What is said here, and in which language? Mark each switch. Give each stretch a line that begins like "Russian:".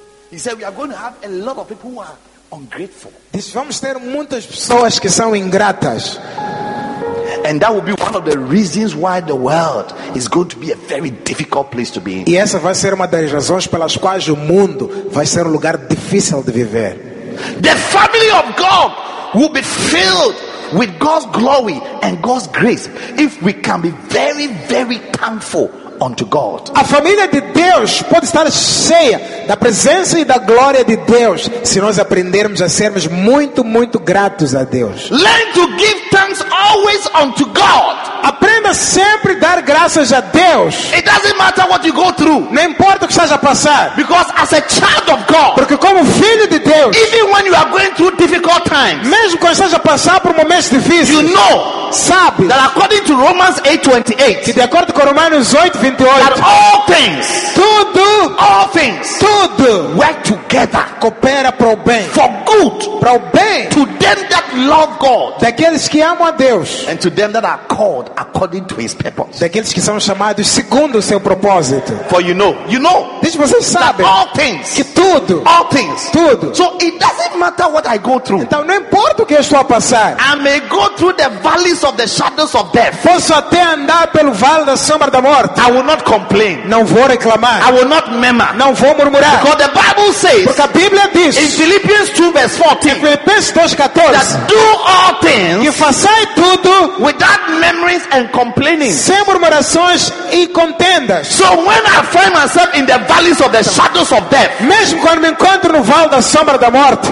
English: He said we are going to have a lot of people who are ungrateful.
Portuguese: Diz vamos ter muitas pessoas que são ingratas.
English: And that will be one of the reasons why the world is going to be a very difficult place to be in.
Portuguese: E essa vai ser uma das razões pelas quais o mundo vai ser um lugar difícil de viver.
English: The family of God will be filled with God's glory and God's grace if we can be very, very thankful unto God.
Portuguese: A família de Deus pode estar cheia da presença e da glória de Deus se nós aprendermos a sermos muito, muito gratos a Deus.
English: Learn to give thanks always unto God.
Portuguese: Aprenda sempre a dar graças a Deus.
English: It doesn't matter what you go through.
Portuguese: Não importa o que estás a passar.
English: Because as a child of God,
Portuguese: porque como filho de Deus,
English: even when you are going through difficult times,
Portuguese: mesmo quando estás a passar por momentos difíceis,
English: you know,
Portuguese: sabe,
English: that according to Romans 8:28,
Portuguese: que de acordo com Romanos 8, 28,
English: that all things,
Portuguese: tudo,
English: all things,
Portuguese: tudo,
English: work together,
Portuguese: coopera para o bem,
English: for good,
Portuguese: para o bem,
English: to them that love God,
Portuguese: daqueles que amam a Deus,
English: and to them that are called according to his purpose,
Portuguese: daqueles que são chamados segundo o seu propósito.
English: For you know,
Portuguese: diz diz, vocês sabem
English: all things,
Portuguese: que tudo,
English: all things,
Portuguese: tudo.
English: So it doesn't matter what I go through.
Portuguese: Então não importa o que eu estou a passar.
English: I may go through the valleys of the shadows of death.
Portuguese: Posso até andar pelo vale da sombra da morte.
English: I will not complain.
Portuguese: Não vou reclamar.
English: I will not murmur.
Portuguese: Não vou murmurar.
English: Because the Bible says.
Portuguese: Porque a Bíblia diz.
English: In Philippians 2 verse 14.
Portuguese: Em Filipenses 2 14.
English: That do all things.
Portuguese: Que façais tudo.
English: Without memories and complaining.
Portuguese: Sem murmurações e contendas.
English: So when I find myself in the valleys of the shadows of death,
Portuguese: mesmo quando me encontro no vale da sombra da morte,